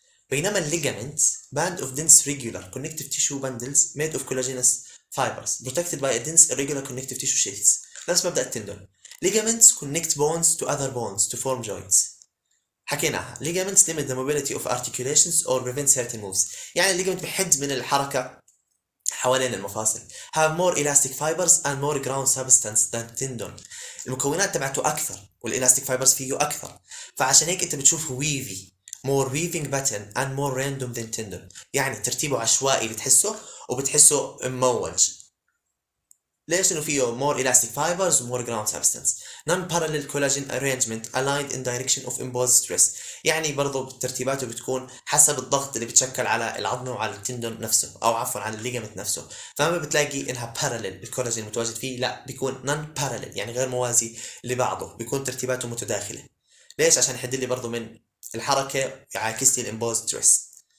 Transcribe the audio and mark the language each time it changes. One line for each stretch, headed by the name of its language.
English: بينما الليجامنت band of dense regular connective tissue bundles made of collagenous fibres protected by dense regular connective tissue sheets,
Arabic: نفس مبدا التندون.
English: Ligaments connect bones to other bones to form joints, حكيناها. Ligaments limit the mobility of articulations or prevent certain moves,
Arabic: يعني الليجامنت بحد من الحركه حوالين المفاصل.
English: Have more elastic fibers and more ground substance than tendon.
Arabic: المكونات تبعته أكثر والإلاستيك فايبرز فيه أكثر. فعشان هيك أنت بتشوف ويفي.
English: More weaving pattern and more random than tendon.
Arabic: يعني ترتيبه عشوائي بتحسه وبتحسه مموج. ليش؟ إنه فيه
English: more elastic fibers and more ground substance. Non-parallel collagen arrangement aligned in direction of imposed stress.
Arabic: يعني برضو ترتيباته بتكون حسب الضغط اللي بتشكل على العظم وعلى التندون نفسه، او عفوا على الليجامنت نفسه. فما بتلاقي انها بارلل الكولاجين المتواجد فيه، لا بيكون نون بارلل، يعني غير موازي لبعضه، بيكون ترتيباته متداخله. ليش؟ عشان يحد لي برضو من الحركه يعاكس لي الامبوز تويست.